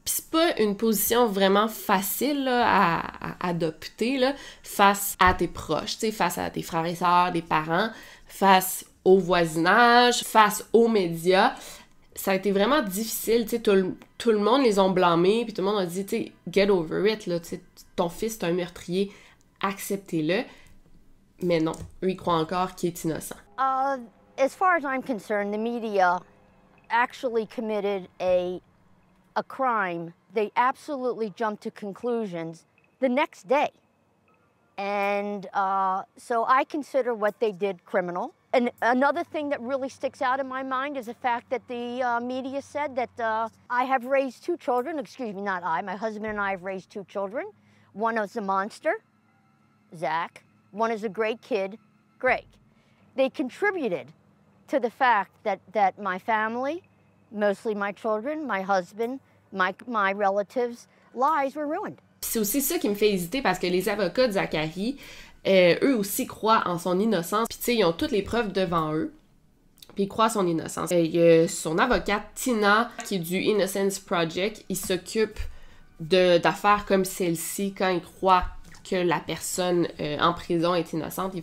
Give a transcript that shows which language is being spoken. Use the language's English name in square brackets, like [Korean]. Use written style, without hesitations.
[French] Puis c'est pas une position vraiment facile là, à adopter là, face à tes proches, t'sais, face à tes frères et sœurs, des parents, face au voisinage, face aux médias. Ça a été vraiment difficile, tu sais, tout le monde les ont blâmés, puis tout le monde a dit, tu sais, [English] get over it, [French] là, tu sais, ton fils est un meurtrier, acceptez-le. Mais non, eux, ils croient encore qu'il est innocent. [English] As far as I'm concerned, the media actually committed a crime. They absolutely jumped to conclusions the next day. And so I consider what they did criminal. And another thing that really sticks out in my mind is the fact that the media said that I have raised two children. Excuse me, not I. My husband and I have raised two children. One is a monster, Zach. One is a great kid, Greg. They contributed to the fact that my family, mostly my children, my husband, my relatives' lives were ruined. [French] C'est aussi ça qui me fait hésiter parce que les avocats de Zachary, eux aussi croient en son innocence. Puis tu sais, ils ont toutes les preuves devant eux. Puis ils croient son innocence. Il y a son avocate Tina qui est du Innocence Project. Il s'occupe d'affaires comme celle-ci quand ils croient que la personne en prison est innocente.